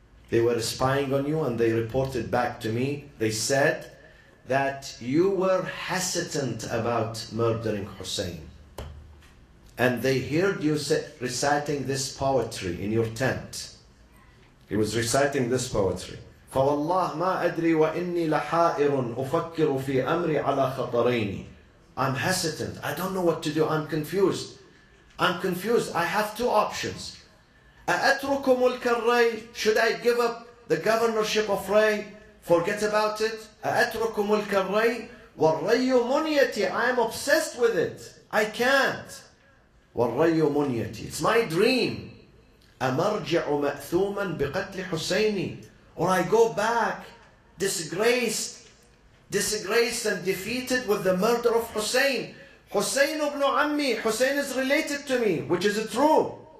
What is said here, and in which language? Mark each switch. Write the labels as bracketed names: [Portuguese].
[English] They were spying on you and they reported back to me. They said that you were hesitant about murdering Hussein. And they heard you reciting this poetry in your tent. He was reciting this poetry. [Arabic] فَوَاللَّهْ مَا أَدْرِي وَإِنِّي لَحَائِرٌ أُفَكِّرُ فِي أَمْرِي عَلَى خَطَرَيْنِ [English] I'm hesitant. I don't know what to do. I'm confused. I'm confused. I have two options. [Arabic] أَأَتْرُكُ مُلْكَ الرَّيْ [English] Should I give up the governorship of Ray? Forget about it. [Arabic] أَأَتْرُكُ مُلْكَ الرَّيْ وَالرَّيُّ مُنْيَتِي [English] I'm obsessed with it. I can't. [Arabic] وَالرَّيُّ مُنْيَتِي [English] It's my dream. [Arabic] أَمَرْجِعُ مَأْثُومًا بِقَتْلِ حُسَيْنِي [English] Or I go back disgraced and defeated with the murder of Hussein. Hussein ibn Ammi, Hussein is related to me, which is true.